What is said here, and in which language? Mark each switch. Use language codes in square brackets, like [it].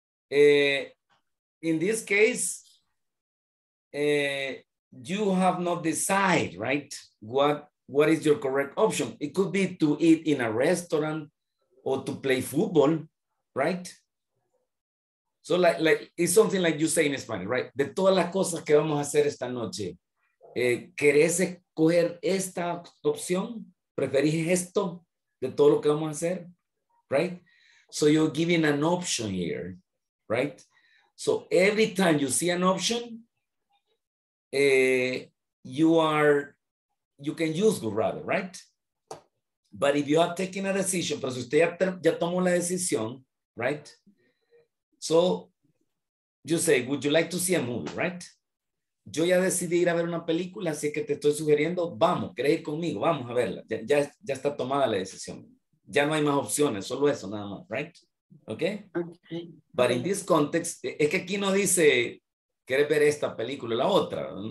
[en] In this case, you have not decided, right? What is your correct option? It could be to eat in a restaurant or to play football, right? So like it's something like you say in Spanish, right? [es] De todas las cosas que vamos a hacer esta noche, ¿querés escoger esta opción? ¿Preferís esto de todo lo que vamos a hacer? [en] Right? So you're giving an option here, right? So every time you see an option, you can use would rather, right? But if you have taken a decision, pero si usted ya tomó la decisión, right? So, you say, would you like to see a movie, right? [es] Yo ya decidí ir a ver una película, así que te estoy sugiriendo, vamos, ¿quieres ir conmigo? Vamos a verla. Ya está tomada la decisión. Ya no hay más opciones, solo eso, nada más, right? [en] Okay? Okay. [es] But in this context, es que aquí no dice, ¿quieres ver esta película o la otra?